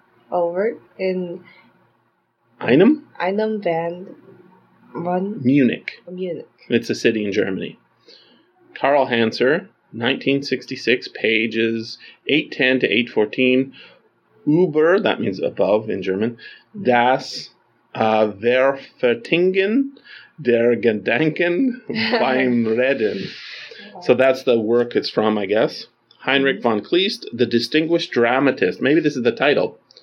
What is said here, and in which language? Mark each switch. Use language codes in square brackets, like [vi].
[en] Over in [de] Einem? Einem van... [en] Munich. It's a city in Germany. Karl Hanser, 1966, pages 810 to 814. Über, that means above in German. [de] Das Verfertigen der Gedanken beim Reden. [en] So that's the work it's from, I guess. Heinrich von Kleist, the distinguished dramatist. Maybe this is the title.